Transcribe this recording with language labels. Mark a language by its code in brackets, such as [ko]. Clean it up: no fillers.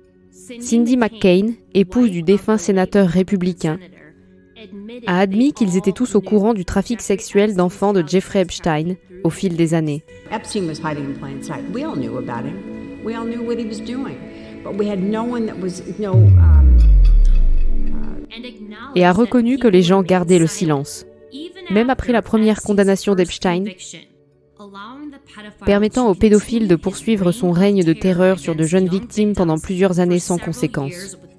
[fr] Cindy McCain, épouse du défunt sénateur républicain, a admis qu'ils étaient tous au courant du trafic sexuel d'enfants de Jeffrey Epstein au fil des années. [en] Epstein was hiding in plain sight. We all knew about him. We all knew what he was doing. But we had no one that was no. [fr] Et a reconnu que les gens gardaient le silence, même après la première condamnation d'Epstein, permettant aux pédophiles de poursuivre son règne de terreur sur de jeunes victimes pendant plusieurs années sans conséquence.